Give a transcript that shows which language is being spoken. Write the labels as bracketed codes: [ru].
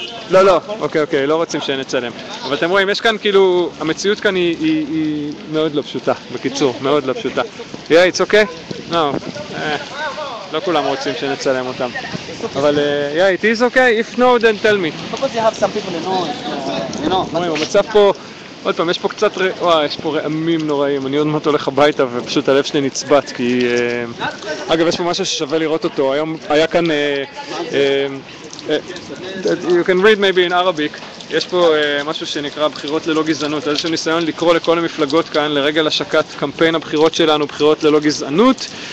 [he] לא, אוקיי, לא רוצים שנצלם. אבל אתם רואים, יש כאן כאילו, המציאות כאן היא מאוד לא פשוטה, בקיצור, מאוד לא פשוטה. [en] Yeah, it's okay? No. [he] לא כולם רוצים שנצלם אותם. אבל, [en] yeah, it is okay, if no, then tell me. Because you have some people in all, you know. [he] המצב פה, עוד פעם, יש פה קצת, וואי, יש פה רעמים נוראים, אני עוד מעט הולך הביתה ופשוט הלב שלי נצבט, כי... אגב, יש פה משהו ששווה לראות אותו, היום היה כאן... [en] you can read maybe in Arabic. [he] יש פה משהו שנקרא בחירות ללא גזענות, איזשהו ניסיון לקרוא לכל המפלגות כאן לרגל השקת קמפיין הבחירות שלנו, בחירות ללא גזענות.